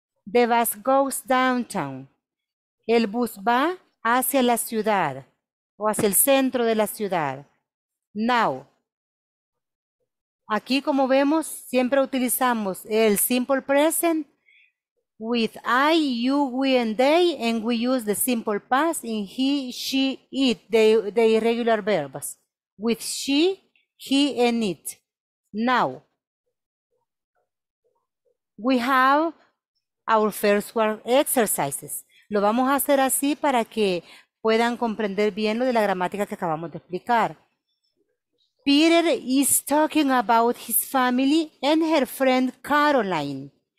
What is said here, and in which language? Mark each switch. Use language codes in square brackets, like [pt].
[en] The bus goes downtown. [es] El bus va hacia la ciudad o hacia el centro de la ciudad. [en] Now, [es] aquí como vemos, siempre utilizamos el simple present. [en] With I, you, we, and they, and we use the simple past in he, she, it, the irregular verbs. With she, he, and it. Now, we have our first word exercises. [es] Lo vamos a hacer así para que puedan comprender bien lo de la gramática que acabamos de explicar. [en] Peter is talking about his family and her friend Caroline.